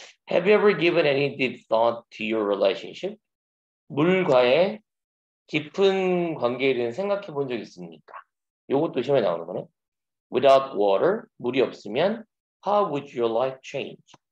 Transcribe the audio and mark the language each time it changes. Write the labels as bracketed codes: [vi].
[en] Have you ever given any deep thought to your relationship? [ko] 물과의 깊은 관계에 대해 생각해 본적 있습니까? 이것도 시험에 나오는 거네. [en] Without water, [ko] 물이 없으면 [en] How would your life change?